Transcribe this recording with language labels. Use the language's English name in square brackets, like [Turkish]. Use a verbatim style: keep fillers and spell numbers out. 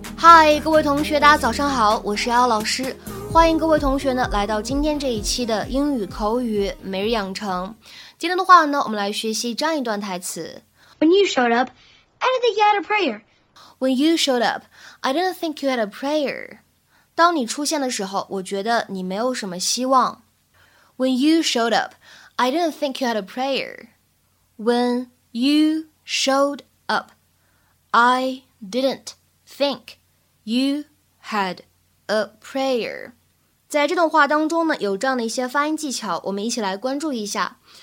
[Chinese] 嗨，各位同学，大家早上好，我是姚老师，欢迎各位同学呢来到今天这一期的英语口语每日养成。今天的话呢，我们来学习这样一段台词 [English] ：When you showed up, I didn't think you had a prayer. When you showed up, I didn't think you had a prayer. [Chinese] 当你出现的时候，我觉得你没有什么希望。 [English] When you showed up, I didn't think you had a prayer. When you showed up, I didn't think you had a prayer. [Chinese] 在这段话当中呢，有这样的一些发音技巧，我们一起来关注一下。